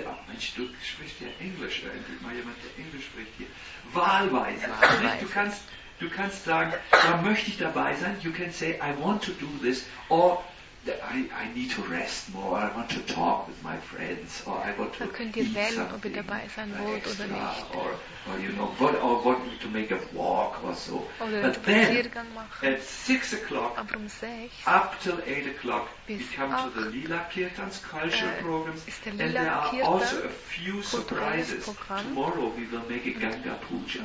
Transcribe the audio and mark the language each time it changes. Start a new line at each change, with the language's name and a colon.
German: Oh Mensch, du sprichst ja Englisch, eigentlich mal jemand, der Englisch spricht hier. Wahlweise, du kannst sagen, da möchte ich dabei sein.
English: You can say, I want to do this, or I need to rest more, I want to talk with my friends, or I want to.
German: Dann könnt ihr wählen, ob ihr dabei sein wollt oder nicht.
English: Or you know, what, or want to make a walk or so.
German: Oder
English: but
German: einen Spaziergang machen.
English: At 6 o'clock,
German: sechs,
English: up till 8 o'clock, we come to the Lila Kirtans cultural programs.
German: Ist der Lila
English: and there are
German: Kirtan
English: also a few surprises.
German: Programm.
English: Tomorrow we will make a Ganga Puja.